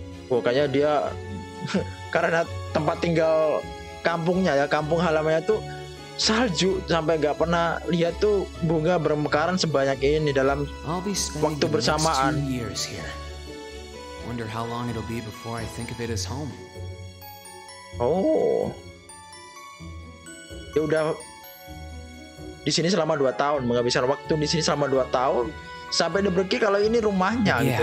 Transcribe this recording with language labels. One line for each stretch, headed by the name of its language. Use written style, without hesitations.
Indonesian: Pokoknya dia karena tempat tinggal kampungnya ya, kampung halamannya tuh salju, sampai gak pernah lihat tuh bunga bermekaran sebanyak ini dalam waktu bersamaan.
English: Wonder how long it'll be before I think of it as home. Oh.
Indonesian: Ya udah di sini selama 2 tahun, menghabiskan waktu di sini selama 2 tahun sampai dia berpikir kalau ini rumahnya gitu.